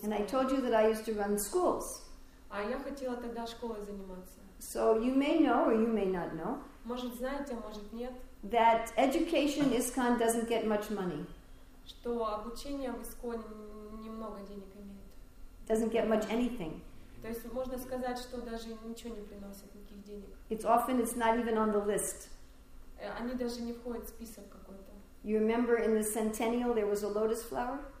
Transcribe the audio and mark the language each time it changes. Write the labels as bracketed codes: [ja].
[en] And I told you that I used to run schools. [ru] А я хотела тогда школой заниматься. [en] So you may know or you may not know. [ru] Может знаете, а может нет. [en] That education ISKCON doesn't get much money. [ru] Что обучение в ISKCON немного денег имеет. [en] Doesn't get much anything. [ru] То есть можно сказать, что даже ничего не приносит никаких денег. [en] It's not even on the list. [ru] Они даже не входят в список какой-то. [en] You remember in the centennial there was a lotus flower?